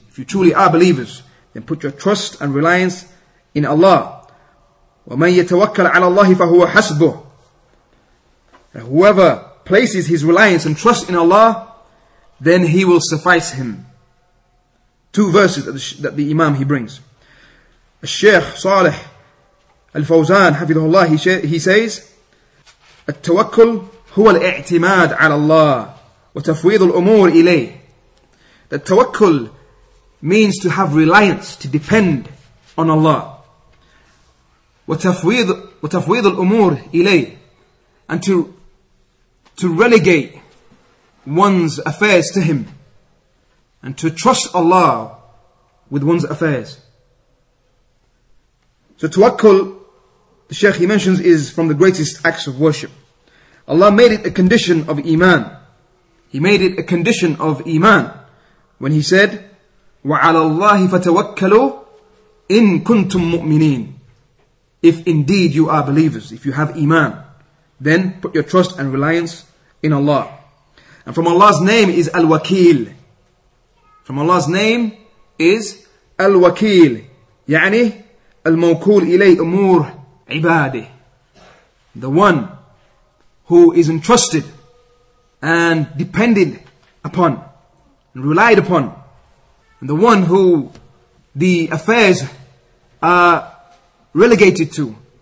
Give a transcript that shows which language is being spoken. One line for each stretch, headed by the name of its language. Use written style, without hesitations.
English: If you truly are believers, then put your trust and reliance in Allah.
Arabic: وَمَنْ يَتَوَكَّلْ عَلَى اللَّهِ فَهُوَ حَسْبُهُ.
English: And whoever places his reliance and trust in Allah, then he will suffice him. Two verses that the Imam he brings. Al-Shaykh Salih Al-Fawzan Hafidhullah, he says,
Arabic: التوكل هو الاعتماد على الله وتفويض الأمور إليه.
English: That tawakkul means to have reliance, to depend on Allah.
Arabic: وتفويض الأمور إليه.
English: And to relegate one's affairs to him. And to trust Allah with one's affairs. So tawakkul, the Shaykh he mentions, is from the greatest acts of worship. Allah made it a condition of iman. He made it a condition of iman when he said,
Arabic: وَعَلَى اللَّهِ فَتَوَكَّلُوا إِن كُنْتُم مُؤْمِنِينَ.
English: If indeed you are believers, if you have iman, then put your trust and reliance in Allah. And from Allah's name is Al-Wakil. From Allah's name is Al-Wakil.
Arabic: يعني الموكول إلي أمور عباده.
English: The one who is entrusted and depended upon and relied upon, and the one who the affairs are relegated to.